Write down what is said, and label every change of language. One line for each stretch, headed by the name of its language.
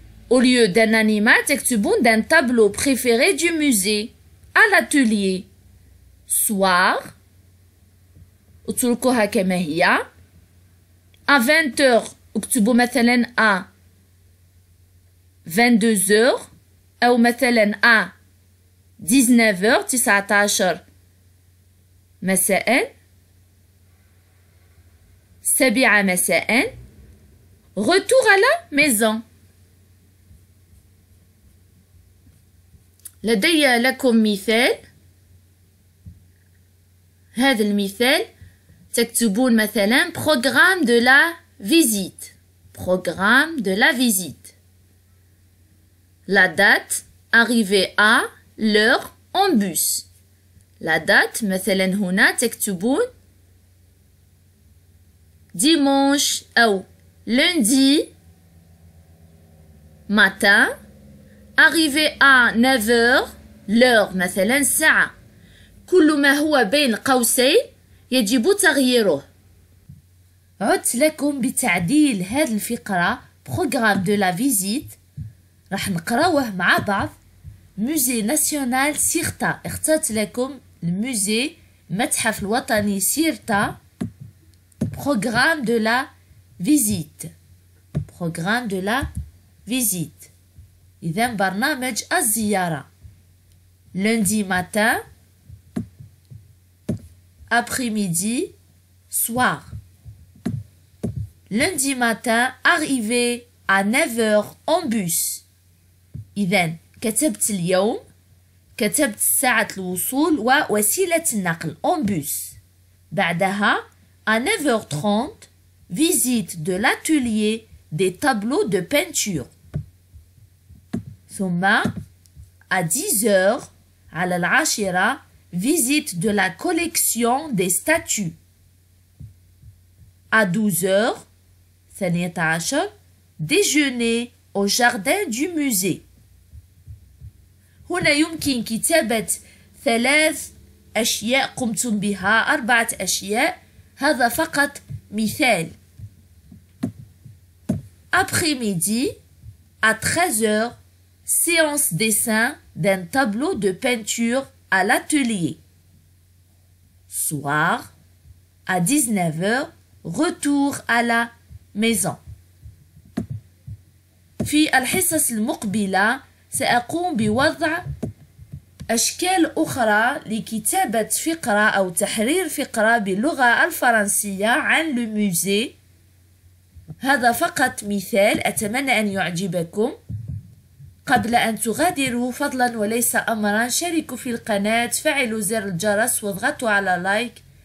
French: Au lieu d'un animal,
Arabic: تكتبون
French: d'un tableau préféré du musée. À l'atelier. Soir.
Arabic: اتركوها كما هي.
French: À 20h,
Arabic: اكتبوا مثلا
French: à 22h.
Arabic: أو مثلا
French: à 19h, 19h
Arabic: مساء. سابعة مساء.
French: Retour à la maison.
Arabic: لدي لكم مثال. هذا المثال تكتبون مثلا
French: programme de la visite. Programme de la visite. La date arrivée à l'heure en bus. La date
Arabic: مثلا هنا تكتبون
French: dimanche ou lundi matin. Arrivé à 9h, l'heure,
Arabic: مثلا ساعة. كل ما هو بين قوسين يجب تغييره. عدت لكم بتعديل هذه الفقرة
French: programme de la visite.
Arabic: راح نقراوه مع بعض. Musée national Sirta. اخترت لكم الموزي متحف الوطني Sirta.
French: Programme de la visite. Programme de la visite.
Arabic: إذن برنامج الزيارة.
French: Lundi matin. Après-midi. Soir. Lundi matin, arrivé à 9h en bus.
Arabic: إذن كتبت اليوم. كتبت ساعة الوصول ووسيلة النقل.
French: En bus.
Arabic: بعدها
French: à 9h30, visite de l'atelier des tableaux de peinture. ثم à 10h
Arabic: على العاشرة
French: visite de la collection des statues. À 12h 12h déjeuner au jardin du musée.
Arabic: هنا يمكن كتابة ثلاث أشياء قمتم بها، أربعة أشياء. هذا فقط مثال.
French: Après-midi à 13h séance dessin d'un tableau de peinture à l'atelier. Soir, à 19h, retour à la maison.
Arabic: في الحصص المقبلة سأقوم بوضع أشكال أخرى لكتابة فقرة أو تحرير فقرة باللغة الفرنسية عن المزي. هذا فقط مثال، أتمنى أن يعجبكم. قبل أن تغادروا فضلا وليس أمرا، شاركوا في القناة، فعلوا زر الجرس واضغطوا على لايك.